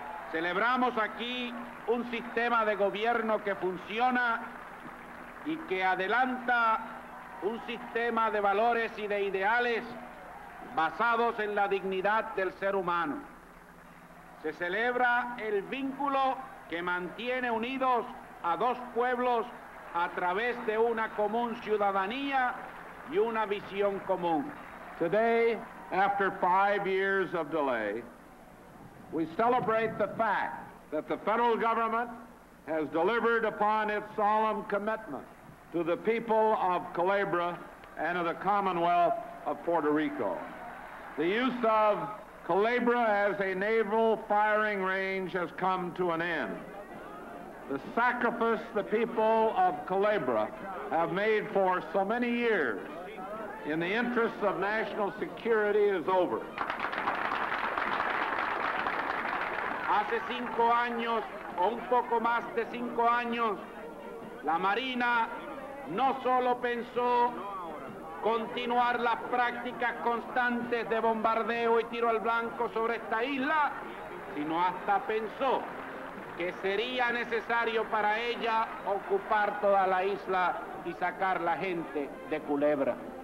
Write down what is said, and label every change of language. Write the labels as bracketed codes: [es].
[es] Celebramos aquí un sistema de gobierno que funciona y que adelanta un sistema de valores y de ideales basados en la dignidad del ser humano. Se celebra el vínculo que mantiene unidos a dos pueblos a través de una común ciudadanía y una visión común. [en] Today, after 5 years of delay, we celebrate the fact that the federal government has delivered upon its solemn commitment to the people of Culebra and of the Commonwealth of Puerto Rico. The use of Culebra as a naval firing range has come to an end. The sacrifice the people of Culebra have made for so many years in the interests of national security is over. [es] Hace 5 años, o un poco más de 5 años, la Marina no solo pensó continuar las prácticas constantes de bombardeo y tiro al blanco sobre esta isla, sino hasta pensó que sería necesario para ella ocupar toda la isla y sacar la gente de Culebra.